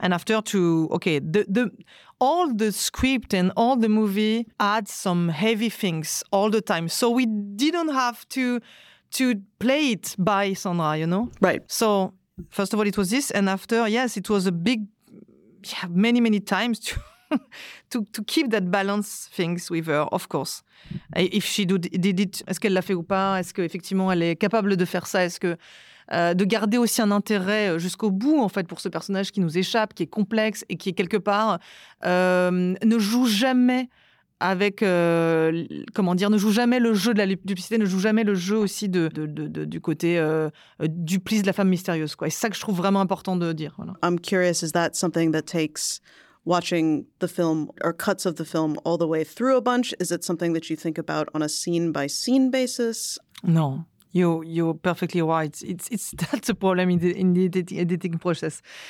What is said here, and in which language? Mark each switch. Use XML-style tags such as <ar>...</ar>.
<en>and after the all the script and all the movie had some heavy things all the time. So we didn't have to play it by Sandra, you know? Right. So first of all, it was this. And after, yes, it was a big, many, many times to keep that balance things with her, of course. If she did it,</en> <fr>est-ce qu'elle l'a fait ou pas? Est-ce qu'effectivement elle est capable de faire ça? Est-ce que... de garder aussi un intérêt jusqu'au bout, en fait, pour ce personnage qui nous échappe, qui est complexe et qui, quelque part, ne joue jamais avec, ne joue jamais le jeu de la duplicité, ne joue jamais le jeu aussi du côté duplice de la femme mystérieuse, quoi. Et c'est ça que je trouve vraiment important de dire. Voilà.</fr> <en>I'm curious, is that something that takes watching the film or cuts of the film all the way through a bunch? Is it something that you think about on a scene-by-scene basis?</en> <fr>Non.</fr> <en>You're perfectly right. That's a problem in the editing process.</en>